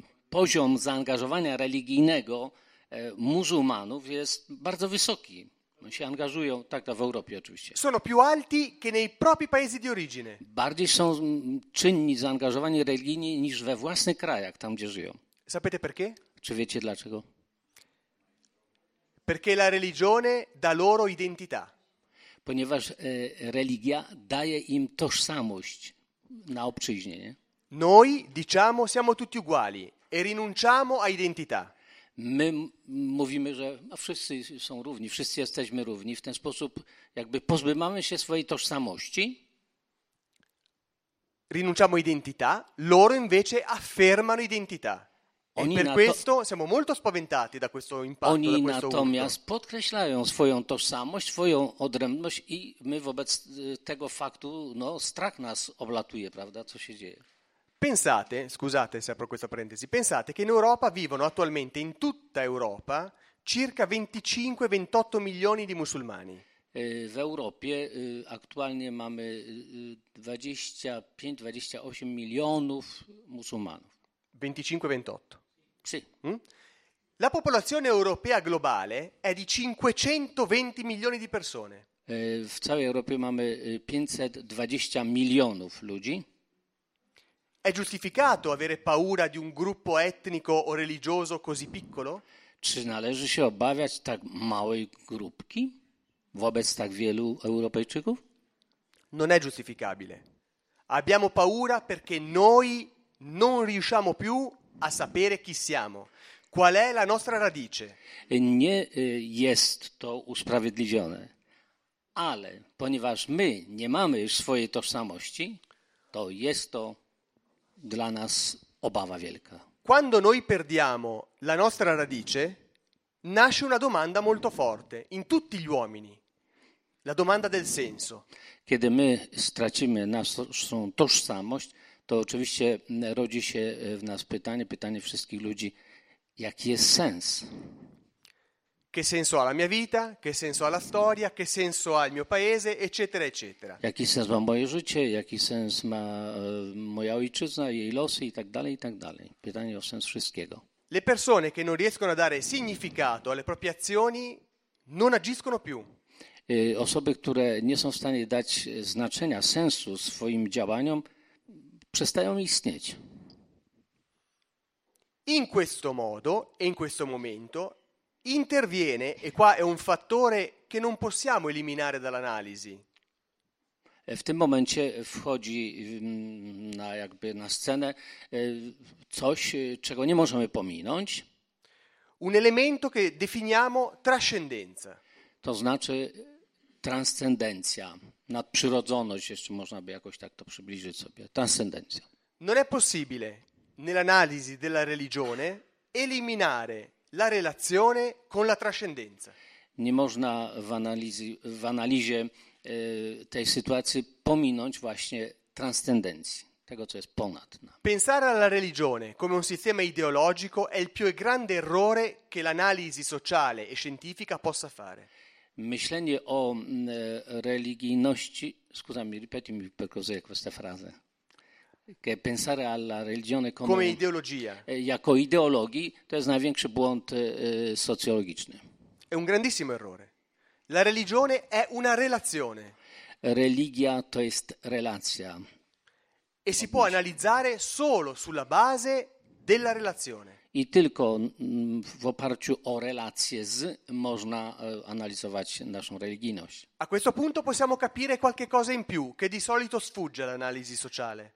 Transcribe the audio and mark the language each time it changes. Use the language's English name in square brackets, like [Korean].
[Polish] Poziom zaangażowania religijnego muzułmanów jest bardzo wysoki. Oni się angażują, tak to w Europie oczywiście. [Italian] Sono più alti che nei propri paesi di origine. [Polish] Bardziej są czynni, zaangażowani religijnie niż we własnych krajach, tam gdzie żyją. [Italian] Sapete perché? [Polish] Czy wiecie dlaczego? [Italian] Perché la religione dà loro identità. [Polish] Ponieważ religia daje im tożsamość na obczyźnie, nie? [Italian] Noi diciamo siamo tutti uguali e rinunciamo a identità. [Polish] My mówimy, że wszyscy są równi, wszyscy jesteśmy równi. W ten sposób jakby pozbywamy się swojej tożsamości. [Italian] Rinunciamo a identità, loro invece affermano identità. [Polish] Oni [Italian] e per questo siamo molto spaventati da questo impatto. [Polish] Oni [Italian] da questo [Polish] natomiast urto. Podkreślają swoją tożsamość, swoją odrębność i my wobec tego faktu, no, strach nas oblatuje, prawda, co się dzieje. [Italian] Pensate, scusate se apro questa parentesi, pensate che in Europa vivono attualmente, in tutta Europa, circa 25-28 milioni di musulmani. [Polish] W Europie aktualnie mamy 25-28 milionów musulmanów. 25-28? [Italian] Sì. La popolazione europea globale è di 520 milioni di persone. [Polish] W całej Europie mamy 520 milionów ludzi. [Italian] È giustificato avere paura di un gruppo etnico o religioso così piccolo? [Polish] Czy należy się obawiać tak małej grupki wobec tak wielu Europejczyków? [Italian] Non è giustificabile. Abbiamo paura perché noi non riusciamo più a sapere chi siamo. Qual è la nostra radice? [Polish] Nie jest to usprawiedliwione, ale ponieważ my nie mamy już swojej tożsamości, to jest to dla nas obawa wielka. [Italian] Quando noi perdiamo la nostra radice, nasce una domanda molto forte in tutti gli uomini. La domanda del senso. [Polish] Kiedy my stracimy naszą tożsamość, to oczywiście rodzi się w nas pytanie wszystkich ludzi, jaki jest sens? [Italian] Che senso ha la mia vita? Che senso ha la storia? Che senso ha il mio paese? Eccetera, eccetera. [Polish] Jaki sens ma moje życie? Jaki sens ma moja ojczyzna, jej losy i tak dalej, i tak dalej. Pytanie o sens wszystkiego. [Italian] Le persone che non riescono a dare significato alle proprie azioni non agiscono più. [Polish] Osoby, które nie są w stanie dać znaczenia, sensu swoim działaniom, przestają istnieć. [Italian] In questo modo e in questo momento interviene, e qua è un fattore che non possiamo eliminare dall'analisi. [Polish] W tym momencie wchodzi na jakby na scenę coś, czego nie możemy pominąć. [Italian] Un elemento che definiamo trascendenza. [Polish] To znaczy transcendencja, nadprzyrodzoność, jeszcze można by jakoś tak to przybliżyć sobie, transcendencja. [Italian] Non è possibile nell'analisi della religione eliminare la relazione con la trascendenza. [Polish] Nie można w analizie tej sytuacji pominąć właśnie transcendencji, tego co jest ponad nam. [Italian] Pensare alla religione come un sistema ideologico è il più grande errore che l'analisi sociale e scientifica possa fare. [Polish] Myślenie o religijności, [Italian] scusami, ripetimi per cos'è questa frase, che pensare alla religione come ideologia, [Polish] jako ideologii, to jest największy błąd socjologiczny. [Italian] È un grandissimo errore. La religione è una relazione. [Polish] Religia to jest relacja. [Italian] E si può analizzare solo sulla base della relazione. [Polish] I tylko w oparciu o relacje z można analizować naszą religijność. [Italian] A questo punto possiamo capire qualche cosa in più che di solito sfugge all'analisi sociale.